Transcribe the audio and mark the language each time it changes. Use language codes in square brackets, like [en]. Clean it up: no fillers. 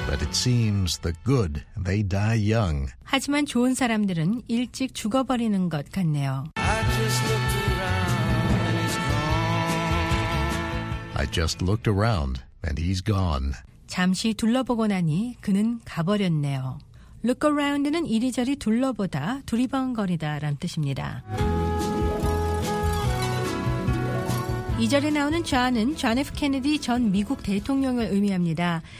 [en] It seems the good they die young. [ko] 하지만 좋은 사람들은 일찍 죽어버리는 것 같네요. [en] I just looked around and he's gone. [ko] 잠시 둘러보고 나니 그는 가버렸네요. [en] Look around [ko] 는 이리저리 둘러보다, 두리번거리다라는 뜻입니다. 2절에 나오는 존은 존 F. 케네디 전 미국 대통령을 의미합니다.